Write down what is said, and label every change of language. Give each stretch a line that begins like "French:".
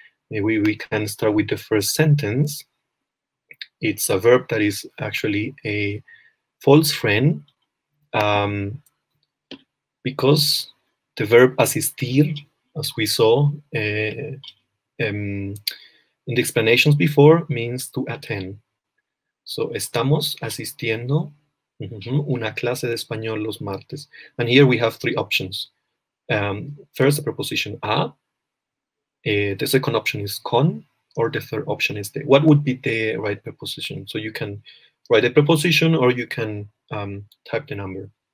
English: Maybe we can start with the first sentence. It's a verb that is actually a false friend, because the verb asistir, as we saw in the explanations before, means to attend.
Spanish: So estamos asistiendo una clase de español los martes.
English: And here we have three options. First, the preposition a, the second option is con, or the third option is de. What would be the right preposition? So you can write a preposition or you can type the number.